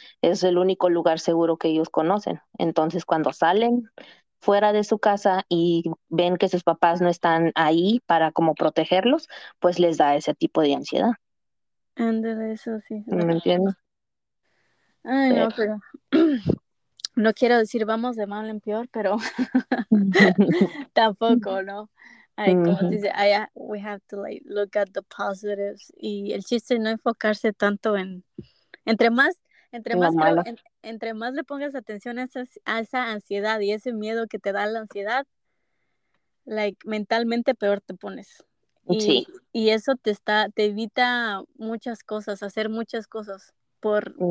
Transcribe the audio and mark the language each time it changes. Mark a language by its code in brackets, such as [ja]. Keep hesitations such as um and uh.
[es] Es el único lugar seguro que ellos conocen. Entonces, cuando salen fuera de su casa y ven que sus papás no están ahí para como protegerlos, pues les da ese tipo de ansiedad. de eso sí. No me entiendo. Ay, pero. no, pero... no quiero decir vamos de mal en peor, pero tampoco, ¿no? Hay como mm -hmm. dice, tenemos [en] we have to like, look at the positives. [es] Y el chiste es no enfocarse tanto en. Entre más, entre en más, creo, en, entre más le pongas atención a esa, a esa, ansiedad y ese miedo que te da la ansiedad, like, mentalmente peor te pones. Y, sí. y eso te está te evita muchas cosas, hacer muchas cosas por, mm.